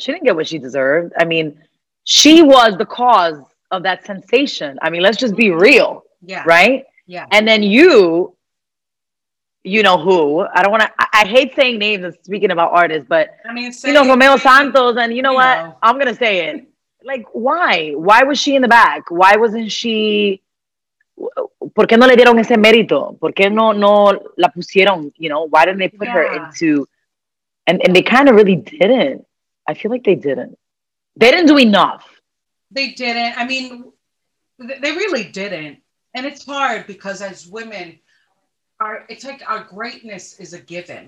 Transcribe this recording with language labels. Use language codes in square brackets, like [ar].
[en] She didn't get what she deserved. I mean, she was the cause of that sensation. I mean, let's just be real. Yeah. Right? Yeah. And then you know who, I don't want to, I hate saying names and speaking about artists, but I mean, you know, Romeo Santos, and you know what, I'm going to say it. Like, why? Why was she in the back? Why wasn't she, [es] ¿por qué no le dieron ese mérito? ¿Por qué no la pusieron? [en] You know, why didn't they put her into, and they kind of really didn't. I feel like they didn't. They didn't do enough. They didn't. I mean, they really didn't. And it's hard because as women, it's like our greatness is a given.